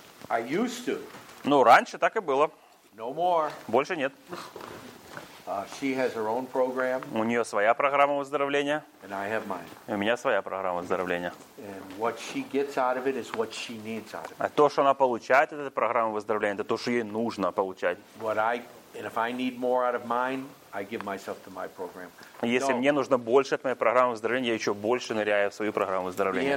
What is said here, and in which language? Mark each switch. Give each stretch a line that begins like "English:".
English: I used to.
Russian: Ну, раньше так и было.
English: No more.
Russian: Больше нет.
English: She has her own program.
Russian: У нее своя программа выздоровления.
English: And I have mine.
Russian: И у меня своя программа выздоровления.
English: And what she gets out of it is what she needs out of it.
Russian: А то, что она получает от этой программы выздоровления, это то, что ей нужно получать.
English: And if I need more out of mine, I give myself to my program.
Russian: Если мне нужно больше от моей программы выздоровления, я еще больше ныряю в свою программу выздоровления.